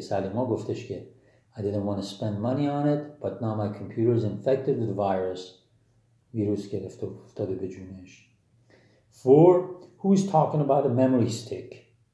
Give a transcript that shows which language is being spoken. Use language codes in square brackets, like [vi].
[en] Salima [fa] گفتش که [en] I didn't want to spend money on it, but now my computer is infected with virus. [fa] ویروس گرفته افتاده به جونش. [en] Four, who is talking about a memory stick?